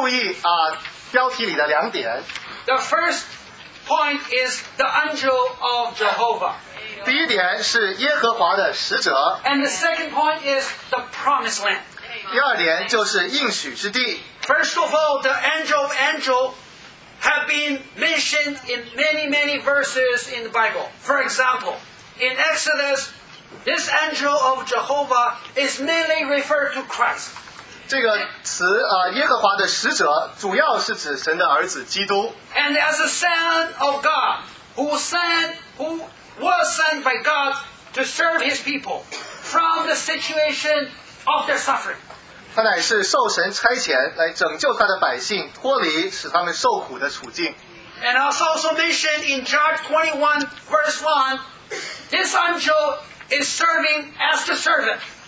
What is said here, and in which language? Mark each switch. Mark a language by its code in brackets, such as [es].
[zh] 弟兄姊妹,何等美妙的信息,请弟兄注意标题里的两点。 [en] The first point is the angel of Jehovah. [zh] 第一点是耶和华的使者。 [en] And the second point is the promised land. [zh] 第二点就是应许之地。 [en] First of all, the angel of angels have been mentioned in many, many verses in the Bible. For example, in Exodus, this angel of Jehovah is mainly referred to Christ. [zh] 这个词,耶和华的使者,主要是指神的儿子基督。 [en] And as a son of God, who was sent by God to serve his people from the situation of their suffering. [zh] 他乃是受神差遣来拯救他的百姓脱离使他们受苦的处境。 [en] And as also mentioned in John 21 verse 1, this angel is serving as the servant.